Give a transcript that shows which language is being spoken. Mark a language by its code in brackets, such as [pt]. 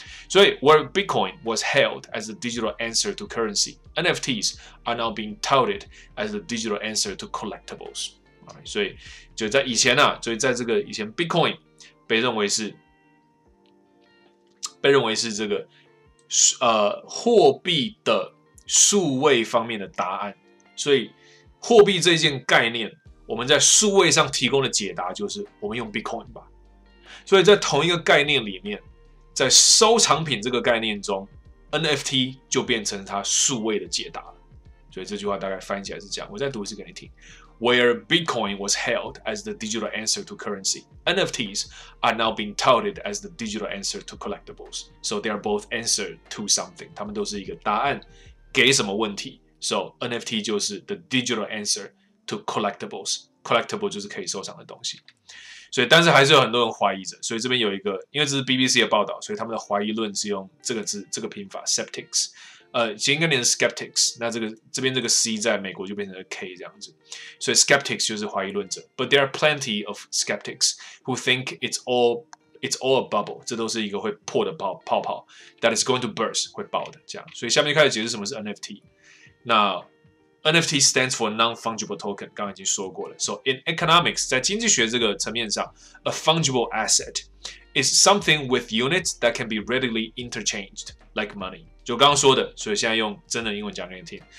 [en] 所以 ，where Bitcoin was held as the digital answer to currency， NFTs are now being touted as the digital answer to collectibles。 [zh] 所以就在以前啊，所以在这个以前 ，Bitcoin 被认为是这个货币的数位方面的答案。所以货币这件概念，我们在数位上提供的解答就是我们用 Bitcoin 吧。所以在同一个概念里面，在收藏品这个概念中 ，NFT 就变成它数位的解答了。所以这句话大概翻译起来是这样，我再读一次给你听。 [en] Where Bitcoin was held as the digital answer to currency, NFTs are now being touted as the digital answer to collectibles. So they are both answer to something. [zh] 他们都是一个答案，给什么问题 [en] ？So NFT 就是 the digital answer to collectibles. [zh] Collectible 就是可以收藏的东西。所以，但是还是有很多人怀疑着。所以这边有一个，因为这是 BBC 的报道，所以他们的怀疑论是用这个字、这个拼法 ，skeptics。应该念 skeptics， 那这边这个 c 在美国就变成了 k 这样子，所以 skeptics 就是怀疑论者。 [en] But there are plenty of skeptics who think it's all a bubble， [zh] 这都是一个会破的泡泡 [en] ，that is going to burst， [zh] 会爆的这样。所以下面就开始解释什么是 NFT。 [en] 那 NFT stands for non-fungible token， [zh] 刚刚已经说过了。 [en] So in economics， [zh] 在经济学这个层面上 [en] ，a fungible asset is something with units that can be readily interchanged like money。 [zh] 就刚刚说的，所以现在用真的英文讲给你听。